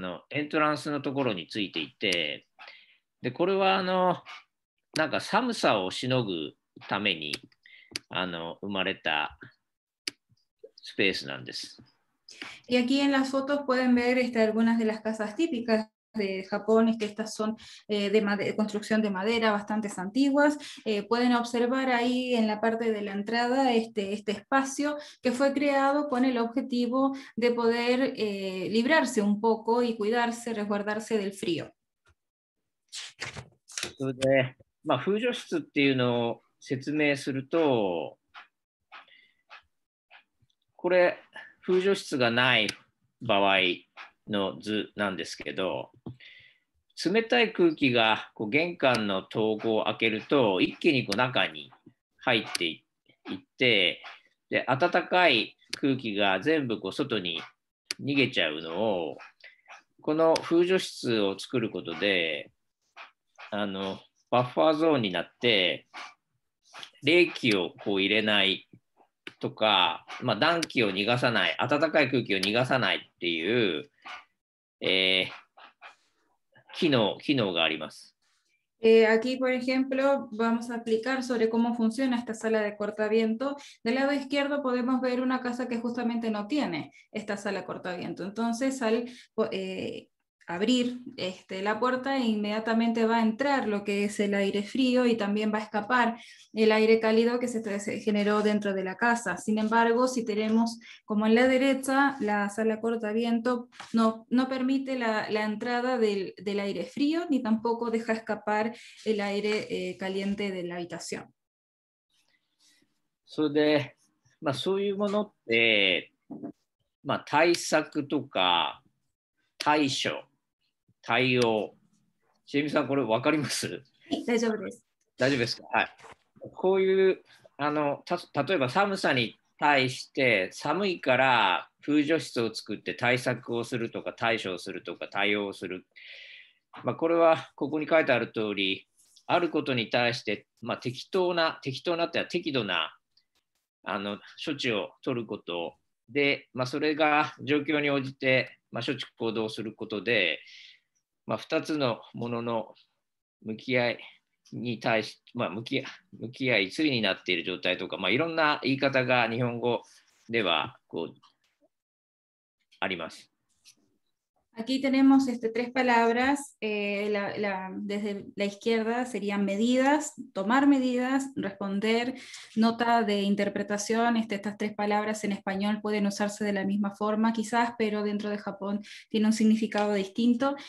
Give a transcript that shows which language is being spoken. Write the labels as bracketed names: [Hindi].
[Japanese] エントランスのところについていて、でこれはなんか寒さをしのぐために生まれたスペースなんです。 [Spanish] Y aquí en las fotos pueden ver algunas de las casas típicas de Japón, que estas son de construcción de madera, bastante antiguas. Pueden observar ahí en la parte de la entrada este espacio que fue creado con el objetivo de poder librarse un poco y cuidarse, resguardarse del frío. Entonces, [Japanese] これ風除室がない場合の図なんですけど、冷たい空気がこう玄関の戸を開けると一気にこう中に入っていって、で暖かい空気が全部こう外に逃げちゃうのを、この風除室を作ることでバッファーゾーンになって冷気をこう入れないとか、まあ、暖気を逃がさない、暖かい空気を逃がさないっていう、機能があります。 [Spanish] Aquí, por ejemplo, vamos a explicar sobre cómo funciona esta sala de cortaviento. Del lado izquierdo podemos ver una casa que justamente no tiene esta sala de cortaviento. Entonces, al abrir la puerta, inmediatamente va a entrar lo que es el aire frío y también va a escapar el aire cálido que se generó dentro de la casa. Sin embargo, si tenemos como en la derecha la sala cortaviento, no permite la entrada del aire frío ni tampoco deja escapar el aire caliente de la habitación. [Japanese] So de, まあ、そういうものって、まあ、対策とか対処対応。しげみさん、これ分かります？大丈夫です。大丈夫ですか？はい。こういう、例えば寒さに対して、寒いから風除室を作って対策をするとか、対処をするとか、対応をする。まあ、これは、ここに書いてある通り、あることに対して、まあ、適当なっては適度な、処置を取ることで、まあ、それが状況に応じて、まあ、処置行動することで、まあ、2つのものの向き合いに対し、まあ、向き合い、対になっている状態とか、まあ、いろんな言い方が日本語ではこうあります。 [Spanish] Aquí tenemos tres palabras. Desde la izquierda serían medidas, tomar medidas, responder, nota de interpretación. Estas tres palabras en español pueden usarse de la misma forma quizás, pero dentro de Japón tiene un significado distinto.